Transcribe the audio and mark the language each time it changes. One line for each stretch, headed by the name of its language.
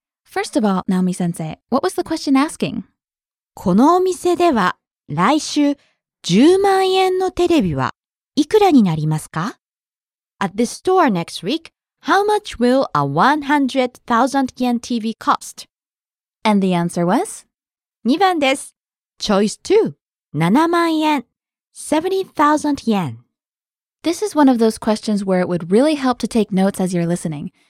English: First of all, Naomi Sensei, what was the question asking?
Japanese: このお店では来週10万円のテレビはいくらになりますか?
English: At this store next week, how much will a 100,000 yen TV cost? And the answer was?
Japanese: 2番です。
English: Choice 2,
Japanese: 7万円,
English: 70,000 yen. This is one of those questions where it would really help to take notes as you're listening.